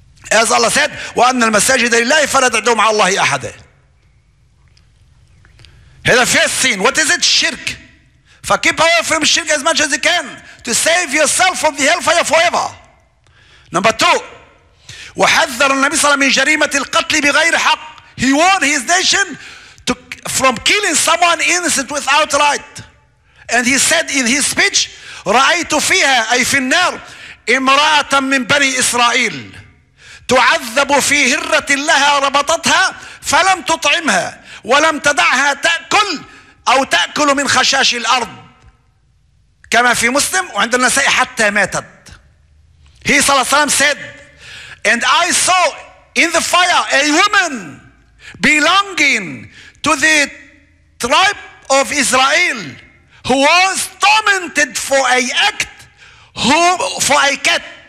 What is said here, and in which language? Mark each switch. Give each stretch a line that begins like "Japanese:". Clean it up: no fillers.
English: As Allah said,
Arabic: وَأَنَّ الْمَسَاجِدَ لِلَّهِ فَلَا تَعْدُوا مَعَ اللَّهِ أَحَدًا.
English: Here the first scene. What is it? Shirk. فكيب away from shirk as much as you can to save yourself from the hellfire forever. Number two,
Arabic: وحذر النبي صلى الله عليه وسلم من جريمة القتل بغير حق.
English: He warned his nation from killing someone innocent without right. And he said in his speech,
Arabic: رأيت فيها, أي في النار, امرأة من بني إسرائيل تعذب في هرة لها ربطتها فلم تطعمها ولم تدعها تأكل أو تأكل من خشاش الأرض كما في مسلم وعند النساء حتى ماتت.
English: He, صلى الله عليه وسلم, said, and I saw in the fire a woman belonging to the tribe of Israel who was tormented for a act who for a cat